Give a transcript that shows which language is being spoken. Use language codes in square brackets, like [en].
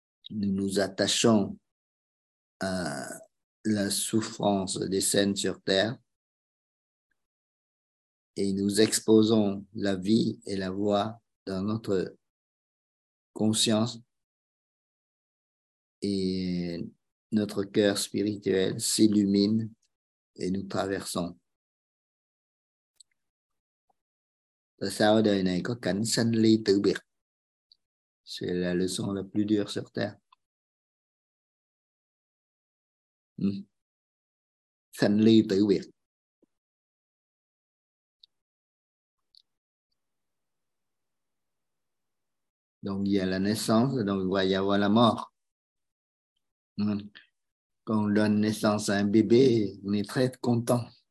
[fr] Nous nous attachons à la souffrance des scènes sur Terre et nous exposons la vie et la voie dans notre conscience et notre cœur spirituel s'illumine et nous traversons. [vi] Sau đời này có cảnh sanh ly tử biệt. [fr] C'est la leçon la plus dure sur Terre. [vi] Sanh ly tử biệt. [fr] Donc il y a la naissance, donc il va y avoir la mort. Quand on donne naissance à un bébé, on est très content.